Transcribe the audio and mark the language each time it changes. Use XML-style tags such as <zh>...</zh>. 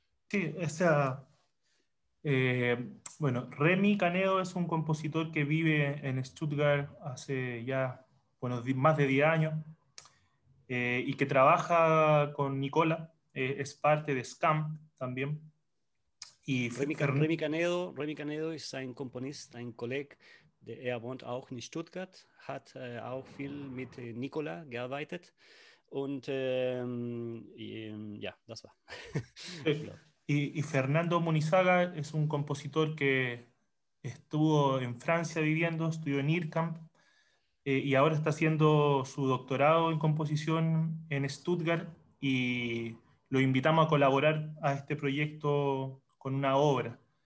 <es>Sí, Remy Canedo es un compositor que vive en Stuttgart hace ya bueno, más de 10 años, y que trabaja con Nicola, es parte de SCAM también.</es> <de>Y Remy Canedo ist ein Komponist, ein Kollege, der wohnt auch in Stuttgart, hat auch viel mit Nicola gearbeitet. Und ja, das war.</de> <es>Y Fernando Munizaga es un compositor que estuvo en Francia viviendo, estudió en IRCAM, y ahora está haciendo su doctorado en composición en Stuttgart, y lo invitamos a colaborar a este proyecto con una obra.</es>